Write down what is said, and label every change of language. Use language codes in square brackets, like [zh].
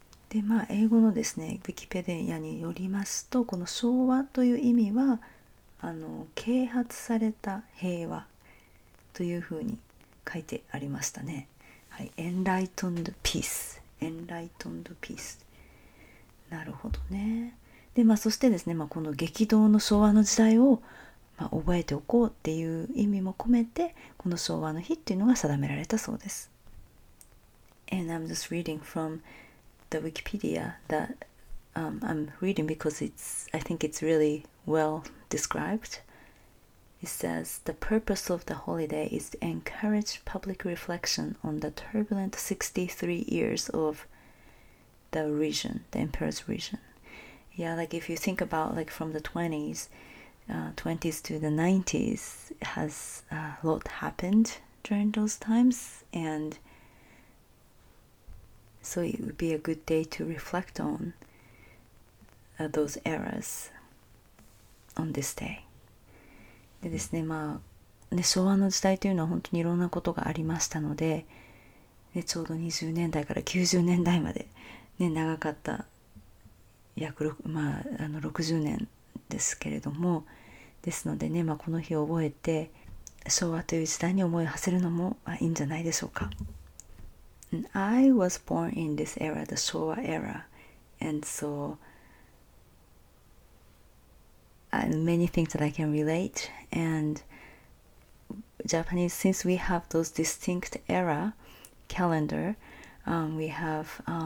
[ja] で、まあ英語のですね、ウィキペディアによりますと、この昭和という意味は、あの啓発された平和というふうに書いてありましたね。はい、 [en] Enlightened Peace。Enlightened Peace。 [ja] なるほどね。で、まあそしてですね、まあ、この激動の昭和の時代を、まあ、覚えておこうっていう意味も込めて、この昭和の日っていうのが定められたそうです。 [en] And I'm just reading from the Wikipedia that、I'm reading because it's, I think it's really well described. It says, the purpose of the holiday is to encourage public reflection on the turbulent 63 years of the regime, the emperor's regime. Yeah, like if you think about like from the 20s, 20s to the 90s, has a lot happened during those times. And so it would be a good day to reflect on those eras on this day. [ja] でですね、まあね、昭和の時代というのは本当にいろんなことがありましたの で, でちょうど20年代から90年代まで、ね、長かった約6、まあ、あの60年ですけれども、ですのでね、まあ、この日を覚えて昭和という時代に思いを馳せるのもいいんじゃないでしょうか。 [en] I was born in this era, the Showa era, and soMany things that I can relate, and Japanese, since we have those distinct era calendar, we have